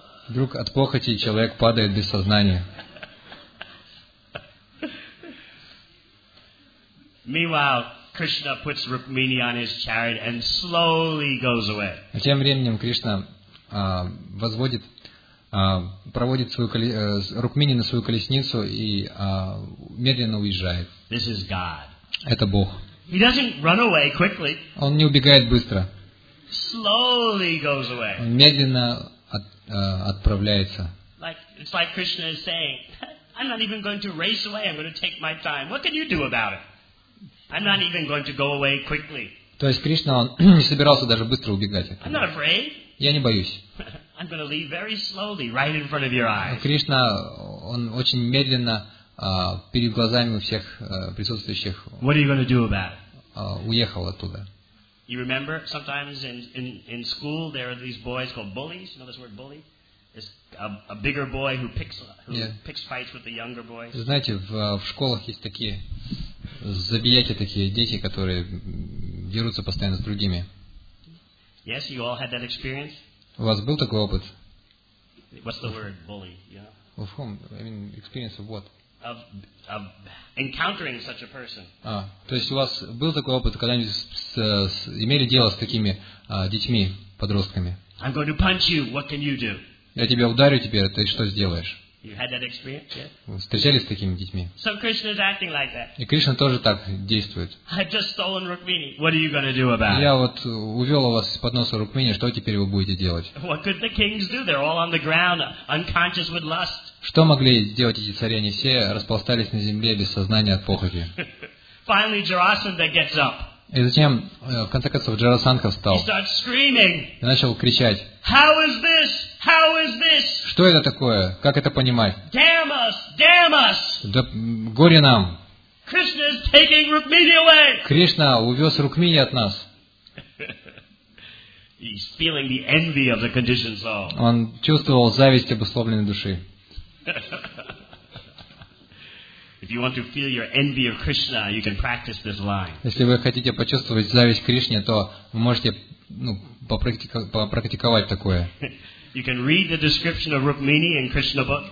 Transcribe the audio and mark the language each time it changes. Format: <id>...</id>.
<ru>Вдруг от похоти человек падает без сознания.</ru> <en>Meanwhile, Krishna puts Rukmini on his chariot and slowly goes away.</en> <ru>А тем временем Кришна возводит, проводит свою Рукмини на свою колесницу и медленно уезжает.</ru> <en>This is God.</en> <ru>Это Бог.</ru> <en>He doesn't run away quickly.</en> <ru>Он не убегает быстро.</ru> <en>Slowly goes away.</en> <ru>Он медленно отправляется.</ru> <en>It's like Krishna is saying, I'm not even going to race away. I'm going to take my time. What can you do about it? I'm not even going to go away quickly.</en> <ru>То есть Кришна не собирался даже быстро убегать.</ru> <en>I'm not afraid.</en> <ru>Я не боюсь.</ru> <en>I'm going to leave very slowly, right in front of your eyes.</en> <ru>Кришна, он очень медленно перед глазами у всех присутствующих.</ru> <en>What are you going to do about it?</en> <ru>Уехал оттуда.</ru> <en>You remember sometimes in school there are these boys called bullies. You know this word bully? It's a bigger boy who picks fights with the younger boys.</en> <ru>Знаете, в школах есть такие. Забияки такие, дети, которые дерутся постоянно с другими.</ru> <en>Yes, you all had that experience.</en> <ru>У вас был такой опыт?</ru> <en>What's the word, bully? Yeah. Of whom? I mean, experience of what? Of encountering such a person.</en> <ru>А, то есть у вас был такой опыт, когда они имели дело с такими детьми, подростками?</ru> <en>I'm going to punch you. What can you do?</en> <ru>Я тебя ударю теперь, ты что сделаешь?</ru> <en>You had that experience, yeah?</en> <ru>Вы встречались с такими детьми?</ru> <en>So Krishna is acting like that.</en> <ru>И Кришна тоже так действует.</ru> <en>I've just stolen Rukmini. What are you going to do about it?</en> <ru>Я вот увел у вас под носа Рукмини. Что теперь вы будете делать?</ru> <en>What could the kings do? They're all on the ground, unconscious with lust.</en> <ru>Что могли сделать эти цари? Они все распластались на земле без сознания от похоти.</ru> <en>Finally, Jarasandha gets up.</en> <ru>И затем, в конце концов, Джарасандха встал.</ru> <en>He starts screaming.</en> <ru>И начал кричать.</ru> <en>How is this? How is this?</en> <ru>Что это такое? Как это понимать?</ru> <en>Damn us! Damn us!</en> <ru>Да, горе нам!</ru> <en>Krishna is taking Rukmini away.</en> <ru>Кришна увез Рукмини от нас.</ru> <en>He's feeling the envy of the conditioned soul.</en> <ru>Он чувствовал зависть обусловленной души.</ru> <en>If you want to feel your envy of Krishna, you can practice this line.</en> <ru>Если вы хотите почувствовать зависть Кришне, то вы можете попрактиковать такое.</ru> <en>You can read the description of Rukmini in Krishna book.</en>